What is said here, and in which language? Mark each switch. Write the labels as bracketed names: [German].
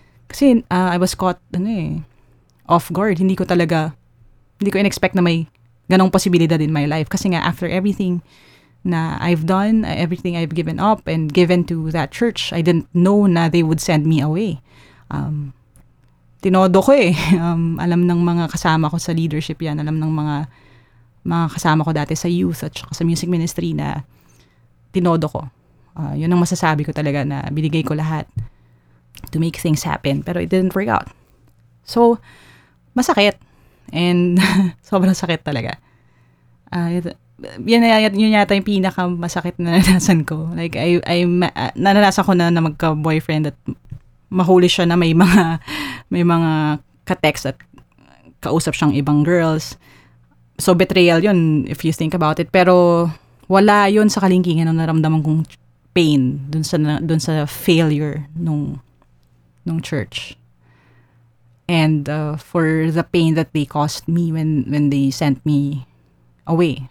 [Filipino] Kasi [English] I was caught off guard. [Filipino] Hindi ko in-expect na may ganong posibilidad [English] in my life. [Filipino] Kasi nga, [English] after everything na I've done, everything I've given up and given to that church, I didn't know na they would send me away. [Filipino] Tinodo ko eh. Alam ng mga kasama ko sa leadership yan. Alam ng mga kasama ko dati sa youth at sa music ministry na tinodo ko. Yun ang masasabi ko talaga na binigay ko lahat [English] to make things happen. [Filipino] Pero [English] it didn't work out. [Filipino] So, masakit. And sobrang sakit talaga. Yun yata yung pinakamasakit na naranasan ko. Like, naranasan ko na magka-boyfriend at mahuli siya na may mga ka-text at kausap siyang ibang girls. So, betrayal yun [English] if you think about it. [Filipino] Pero wala yon sa kalingkingan ng naramdaman kong pain dun sa failure nung church. [English] And for the pain that they caused me when they sent me away.